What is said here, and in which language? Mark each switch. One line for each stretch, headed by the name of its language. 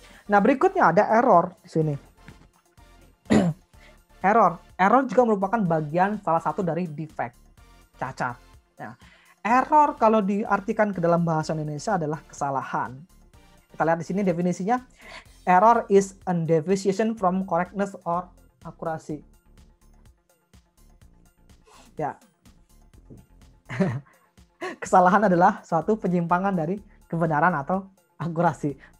Indonesian: Nah, berikutnya ada error di sini. Error juga merupakan bagian salah satu dari defect, cacat. Nah, error kalau diartikan ke dalam bahasa Indonesia adalah kesalahan. Kita lihat di sini definisinya.
English: Error is a deviation from correctness or accuracy.
Indonesian: Ya. Kesalahan adalah suatu penyimpangan dari kebenaran atau akurasi.